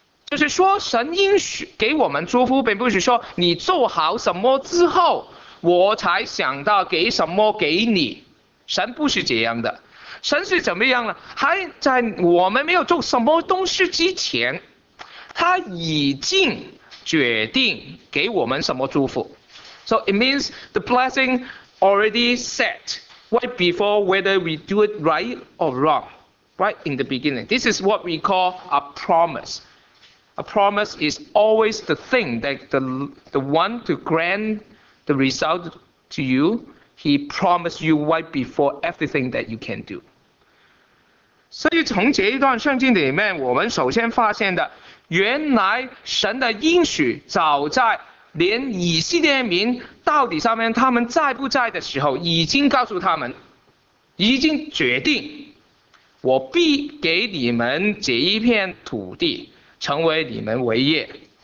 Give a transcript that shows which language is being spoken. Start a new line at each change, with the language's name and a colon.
Chinese: 就是说，神应许给我们祝福，并不是说你做好什么之后我才想到给什么给你。神不是这样的。神是怎么样呢？还在我们没有做什么东西之前，他已经决定给我们什么祝福。
English: So it means the blessing already set right before whether we do it right or wrong, right in the beginning. This is what we call a promise. A promise is always the thing that the one to grant the result to you, he promised you right before everything that you can do.
Chinese: 所以从这一段圣经里面，我们首先发现的，原来神的应许早在连以色列民到底上面他们在不在的时候，已经告诉他们，已经决定，我必给你们这一片土地成为你们为业。